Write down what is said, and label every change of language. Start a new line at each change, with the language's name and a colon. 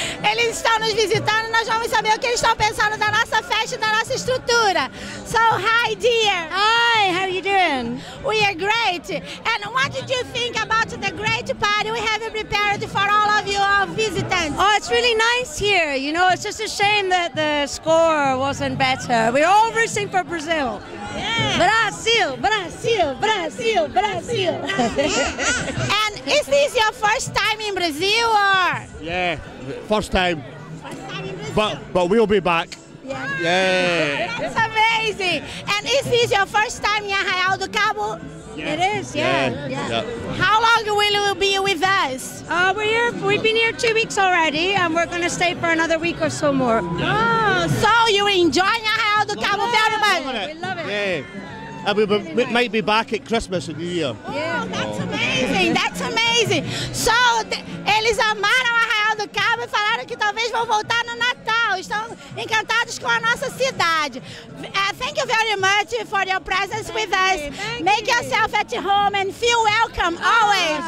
Portuguese: Eles estão nos visitando, nós vamos saber o que eles estão pensando da nossa festa, da nossa estrutura.
English: So, hi dear. Hi, how are you doing? We are great. And what did you think about the great party we have prepared for all of you, our visitants? Oh, it's really nice here. You know, it's just a shame that the score wasn't better. We're all rooting for Brazil. Yeah.
Portuguese: Brasil, Brasil, Brasil, Brasil.
English: And is this your first time in Brazil or? Yeah, first time in Brazil. But we'll be back. Yeah. That's amazing. And is this your first time in Arraial do Cabo? Yeah. It is, yeah. How long will you be with us? We've been here 2 weeks already and we're going to stay for another week or so more. Yeah. Oh, so you enjoy Arraial do Cabo very much? We love it. Yeah. And we might be back at Christmas and New Year. Oh, that's amazing, that's amazing.
Portuguese: So, eles amaram Arraial do Cabo e falaram que talvez vão voltar no Natal. Estão encantados com a nossa cidade.
English: Thank you very much for your presence with us. Make yourself at home and feel welcome always.